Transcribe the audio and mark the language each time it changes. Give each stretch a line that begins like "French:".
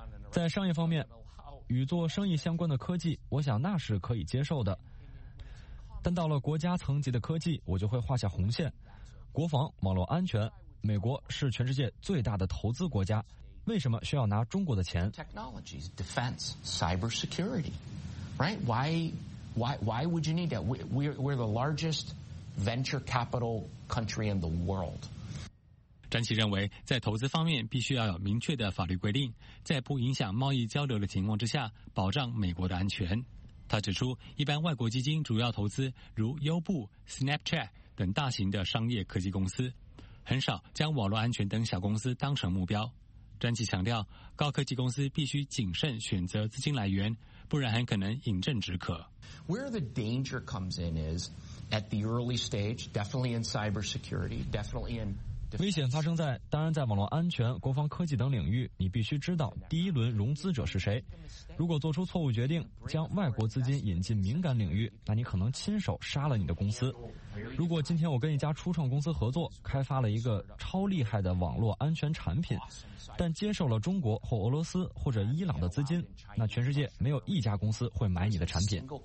Chinese: 在商业方面，与做生意相关的科技，我想那是可以接受的。但到了国家层级的科技，我就会画下红线。国防、网络安全，美国是全世界最大的投资国家，为什么需要拿中国的钱
English: ？Technology, defense, cyber security, right? Why would you need that? We're the largest. Venture capital country in the world.
Chinese: 詹奇认为，在投资方面必须要有明确的法律规定，在不影响贸易交流的情况之下，保障美国的安全。他指出，一般外国基金主要投资如优步、Snapchat 等大型的商业科技公司，很少将网络安全等小公司当成目标。詹奇强调，高科技公司必须谨慎选择资金来源，不然很可能饮鸩止渴。
English: Where the danger comes in is at the early stage, definitely in cybersecurity, definitely in.
Chinese: 危险发生在，当然在网络安全、国防科技等领域，你必须知道第一轮融资者是谁。如果做出错误决定，将外国资金引进敏感领域，那你可能亲手杀了你的公司。如果今天我跟一家初创公司合作，开发了一个超厉害的网络安全产品，但接受了中国或俄罗斯或者伊朗的资金，那全世界没有一家公司会买你的产品。